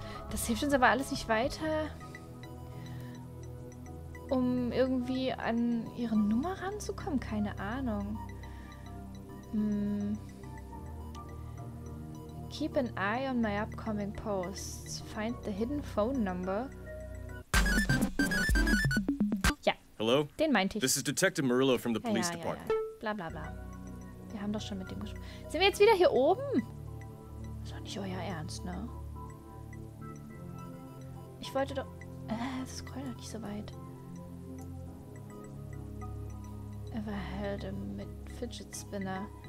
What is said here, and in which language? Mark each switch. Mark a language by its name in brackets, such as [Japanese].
[German] Das hilft uns aber alles nicht weiter, um irgendwie an ihre Nummer ranzukommen. Keine Ahnung. [English] Keep an eye on my upcoming posts. Find the hidden phone number. [German] Ja. [English] Hello? [German] Den meinte ich. [English] This is Detective Murillo from the Police Department. Bla bla bla. [German] Wir haben doch schon mit dem gesprochen. Sind wir jetzt wieder hier oben? Ist doch nicht euer Ernst, ne? Ich wollte doch. Das scrollt doch nicht so weit. [English] Ever held him [German] mit [English] Fidget Spinner.